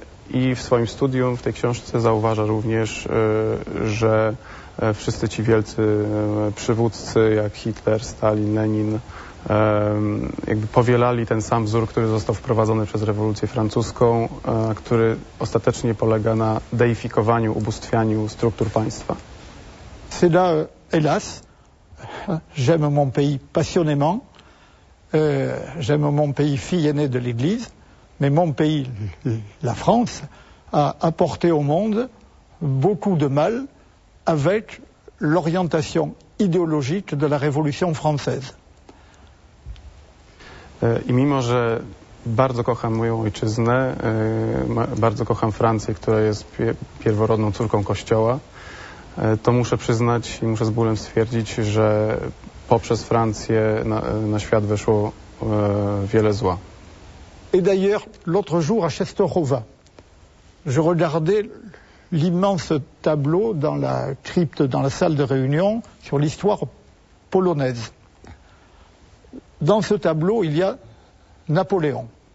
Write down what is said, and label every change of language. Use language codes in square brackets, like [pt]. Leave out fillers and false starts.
[pl] I w swoim studium, w tej książce zauważa również, że wszyscy ci wielcy przywódcy jak Hitler, Stalin, Lenin jakby powielali ten sam wzór, który został wprowadzony przez rewolucję francuską, który ostatecznie polega na deifikowaniu, ubóstwianiu struktur państwa. [fr] C'est là, hélas, j'aime mon pays passionnément, j'aime mon pays fille aînée de l'Église. Mais mon pays, la France, a apporté au monde beaucoup de mal avec l'orientation idéologique de la Révolution française. [pl] I mimo, że bardzo kocham moją ojczyznę, bardzo kocham Francję, która jest pierworodną córką Kościoła, to muszę przyznać i muszę z bólem stwierdzić, że poprzez Francję na świat weszło wiele zła. [fr] Et d'ailleurs, l'autre jour à Częstochowa, je regardais l'immense tableau dans la crypte, dans la salle de réunion, sur l'histoire polonaise. Dans ce tableau, il y a Napoléon.